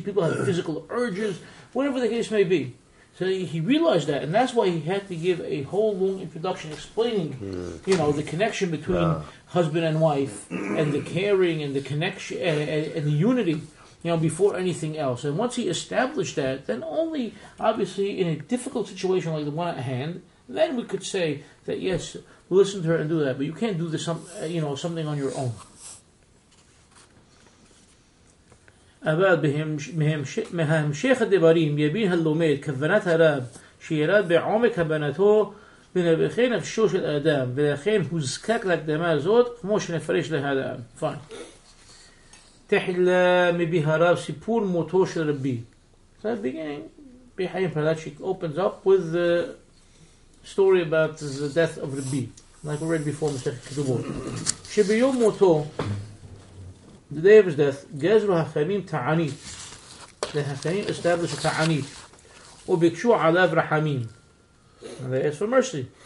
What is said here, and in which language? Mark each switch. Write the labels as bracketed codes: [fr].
[en] people have physical urges, whatever the case may be. So he realized that, and that's why he had to give a whole long introduction explaining, you know, the connection between husband and wife, and the caring, and the connection, and the unity, you know, before anything else. And once he established that, then only, obviously, in a difficult situation like the one at hand, then we could say that, yes, listen to her and do that, but you can't do this, you know, something on your own. [he] אבל מהמשך הדברים יבין הלומד כוונת הרב שירד בעומק הבנתו ולכן נפשו של האדם, ולכן הוזקק להקדמה הזאת, כמו שנפרש להלן. פיין. תחילה מבי הרב סיפור מותו של רבי. [en] So the beginning, Rabbi Haim Palacci opens up with the story about the death of Rabbi, like we read before in the Sefer Ketubot. [he] Shebiyom moto, [en] the day of his death, [he] Gezru HaChamim Ta'anit. [en] The HaChamim established a Ta'anit. [he] Ubikshu Alav Rahamim. [en] And they asked for mercy.